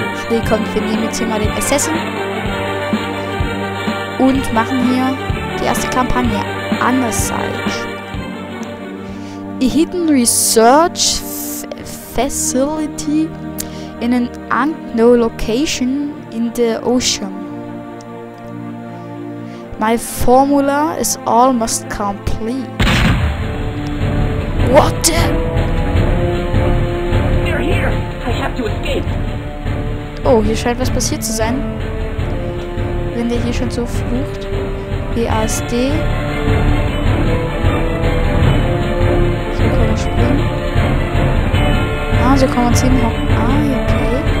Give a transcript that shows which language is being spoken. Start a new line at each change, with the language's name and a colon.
German: Nee, komm, wir nehmen jetzt hier mal den Assassin. Und machen hier die erste Kampagne.
English: Underside. Hidden Research Facility in an unknown location in the ocean. My formula is almost complete. What the? They're here! I have to escape!
German: Oh, hier scheint was passiert zu sein. Wenn der hier schon so flucht. BASD. So können wir spielen. Ah, so kann man es hinhocken. Ah, okay.